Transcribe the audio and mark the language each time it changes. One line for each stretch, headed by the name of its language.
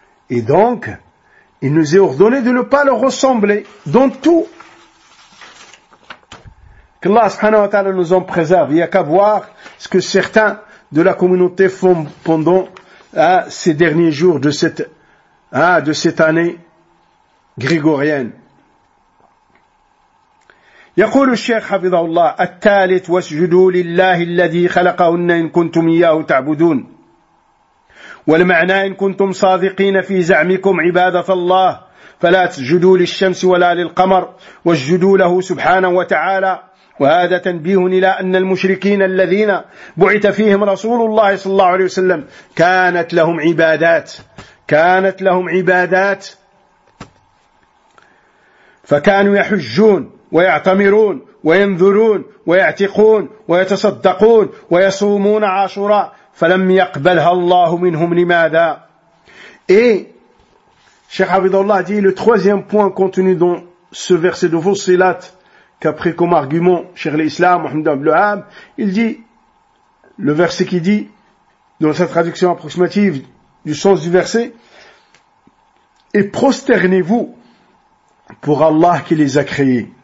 French: Et donc, il nous est ordonné de ne pas leur ressembler dans tout. Qu'Allah
Arabic: subhanahu wa ta'ala
French: nous en préserve. Il n'y a qu'à voir ce que certains de la communauté font pendant ces derniers jours de cette année grégorienne.
Arabic: يقول الشيخ حفظه الله الثالث واسجدوا لله الذي خلقهن إن كنتم إياه تعبدون والمعنى إن كنتم صادقين في زعمكم عبادة الله فلا تسجدوا للشمس ولا للقمر واسجدوا له سبحانه وتعالى وهذا تنبيه إلى أن المشركين الذين بعث فيهم رسول الله صلى الله عليه وسلم كانت لهم عبادات فكانوا يحجون ويعتمرون وينذرون ويعتقون ويتصدقون ويصومون عاشوراء فلم يقبلها الله منهم لماذا.
French: Et Cheikh Abdullah dit le troisième point contenu dans ce verset de Fussilat qu'a pris comme argument Cheikh l'Islam Mohamed Abdelham, il dit le verset qui dit dans sa traduction approximative du sens du verset, et prosternez-vous pour Allah qui les a créés.